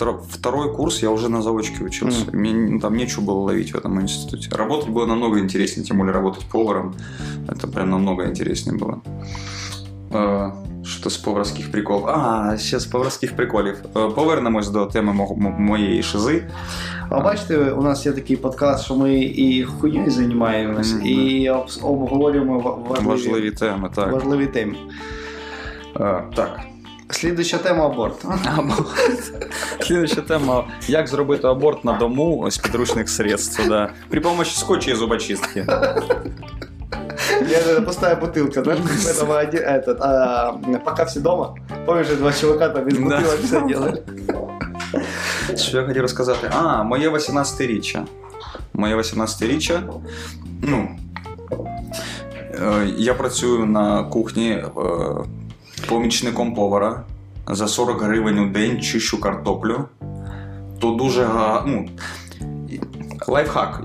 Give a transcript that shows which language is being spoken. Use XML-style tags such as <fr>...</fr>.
<ru>Второй курс я вже на заочке учился.</ru> <uk>Мені там нечего було ловити в цьому інституті.</uk> <ru>Работать було намного інтереснее, тим более работать поваром. Это прям намного интереснее было.</ru> <uk>Что-то з поварських приколів. Ще з поварських приколів. Повернемось до теми моєї шизи. А бачите, у нас є такий подкаст, що ми і хуйньою займаємось, і обговорюємо важливі теми. Так. Важливі теми. Так. Слідуюча тема – аборт. Слідуюча тема – як зробити аборт на дому з підручних средств. Да.</uk> <ru>При помощі скотча і зубочистки. Я пустая бутылка, знаешь, это один этот, пока все дома, помнишь, два чувака там из бутылок все делали. Что я хотел рассказать?</ru> <uk>Моє 18-річчя. Моє 18-річчя, ну, я працюю на кухні помічником повара, за 40 гривень у день чищу картоплю, то дуже гарно. Лайфхак.</uk>